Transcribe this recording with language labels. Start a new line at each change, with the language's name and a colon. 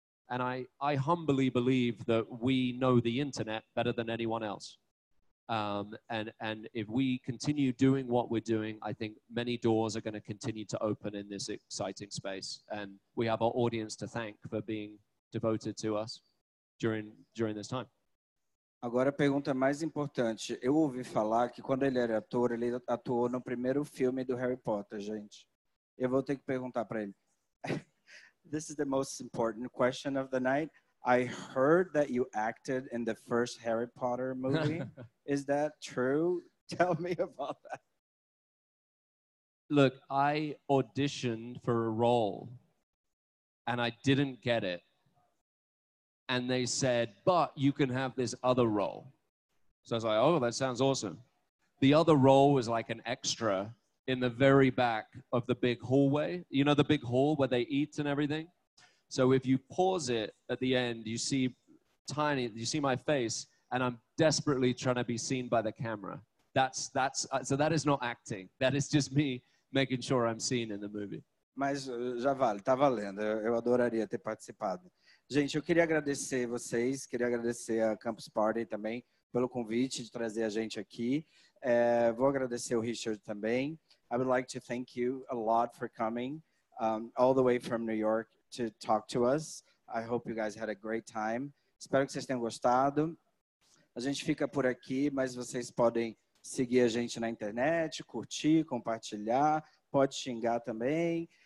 English: And I humbly believe that we know the internet better than anyone else. And if we continue doing what we're doing, I think many doors are going to continue to open in this exciting space. And we have our audience to thank for being devoted to us during this time.
Portuguese: Agora a pergunta mais importante. Eu ouvi falar que quando ele era ator, ele atuou no primeiro filme do Harry Potter, gente. Eu vou ter que perguntar para ele.
English: This is the most important question of the night. I heard that you acted in the first Harry Potter movie. Is that true? Tell me about that. Look, I auditioned for a role and I didn't get it. And they said, but you can have this other role. So I was like, oh, that sounds awesome. The other role was like an extra in the very back of the big hallway. You know, the big hall where they eat and everything. So if you pause it at the end, you see my face, and I'm desperately trying to be seen by the camera. So that is not acting. That is just me making sure I'm seen in the movie.
Portuguese: Mas já vale, tá valendo. Eu adoraria ter participado. Gente, eu queria agradecer vocês, queria agradecer a Campus Party também pelo convite de trazer a gente aqui. É, vou agradecer o Richard também.
English: I would like to thank you a lot for coming all the way from New York to talk to us. I hope you guys had a great time.
Portuguese: Espero que vocês tenham gostado. A gente fica por aqui, mas vocês podem seguir a gente na internet, curtir, compartilhar, pode xingar também.